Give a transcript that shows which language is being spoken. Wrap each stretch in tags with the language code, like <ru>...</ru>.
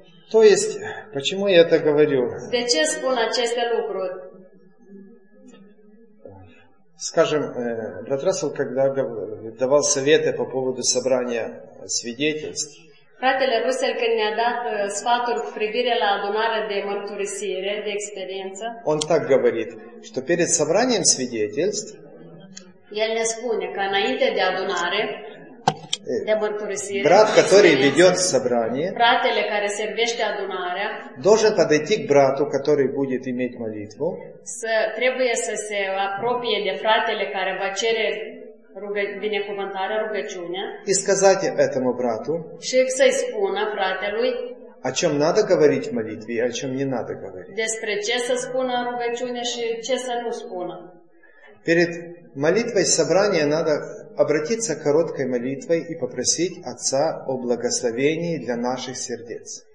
<ru>То есть, почему я это говорю?</ru> <ro>De ce spun aceste lucruri?</ro> <ru>Скажем, брат Рассел, когда давал советы по поводу собрания свидетельств.</ru> <ro>Fratele Russell, când ne-a dat sfaturi cu privire la adunare de mărturisire, de experiență.</ro> <ru>Он так говорит, что перед собранием свидетельств.</ru> <ro>El ne spune că înainte de adunare.</ro> <ru>Брат, который ведет собрание,</ru> <ro>fratele care servește adunarea,</ro> <ru>должен подойти к брату, который будет иметь молитву,</ru> <ro>trebuie să se apropie de fratele care va cere binecuvântarea, rugăciunea,</ro> <ru>и сказать этому брату,</ru> <ro>și să-i spună fratelui,</ro> <ru>о чем надо говорить в молитве и о чем не надо говорить.</ru> <ro>Despre ce să spună rugăciunea și ce să nu spună.</ro> <ru>Перед молитвой собрания надо обратиться короткой молитвой и попросить Отца о благословении для наших сердец.</ru>